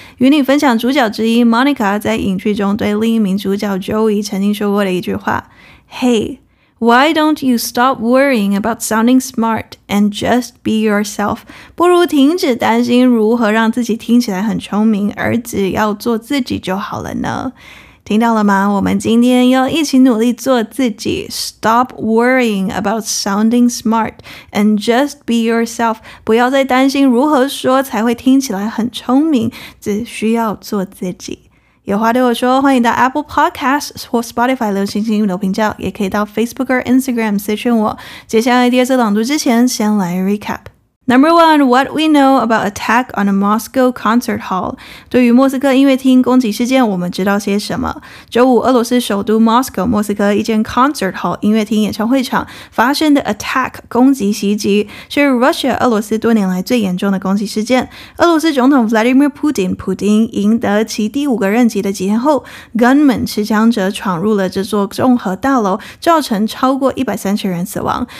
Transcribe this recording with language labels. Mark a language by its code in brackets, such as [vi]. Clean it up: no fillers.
[zh] 与你分享主角之一 Monica 在影剧中对另一名主角 Joey 曾经说过的一句话， [en] Hey, why don't you stop worrying about sounding smart? And just be yourself. [zh] 不如停止担心如何让自己听起来很聪明，而只要做自己就好了呢。听到了吗？我们今天要一起努力做自己。 [en] Stop worrying about sounding smart and just be yourself. [zh] 不要再担心如何说才会听起来很聪明，只需要做自己。有话对我说，欢迎到 Apple Podcasts 或 Spotify 留星星留评价，也可以到 Facebook 或 Instagram 私讯我。接下来第二次朗读之前，先来 recap。 [en] Number one, what we know about attack on a Moscow concert hall. [zh] 对于莫斯科音乐厅攻击事件，我们知道些什么？周五，俄罗斯首都 Moscow, 莫斯科一间 concert hall, 音乐厅演唱会场发生的 attack, 攻击袭击，是 Russia, 俄罗斯多年来最严重的攻击事件。俄罗斯总统 Vladimir Putin, 普丁赢得其第五个任期的几天后， gunmen, 持枪者闯入了这座综合大楼，造成超过130人死亡。